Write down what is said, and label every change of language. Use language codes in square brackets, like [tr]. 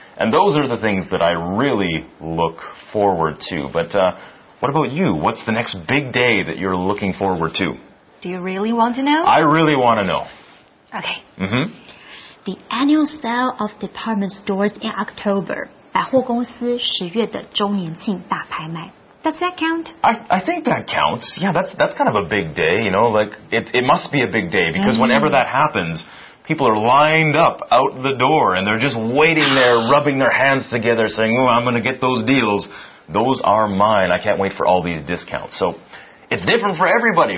[en] And those are the things that I really look forward to. But what about you? What's the next big day that you're looking forward to? Do you really want to know? I really want to know. Okay. Mm-hmm. The annual sale of department stores in October. [zh] 百货公司十月的周年庆大拍卖。 [en] Does that count? I think that counts. Yeah, that's kind of a big day, you know. Like, it must be a big day because whenever that happens, people are lined up out the door and they're just waiting there, rubbing their hands together, saying, oh, I'm going to get those deals. Those are mine. I can't wait for all these discounts. So... It's different for everybody.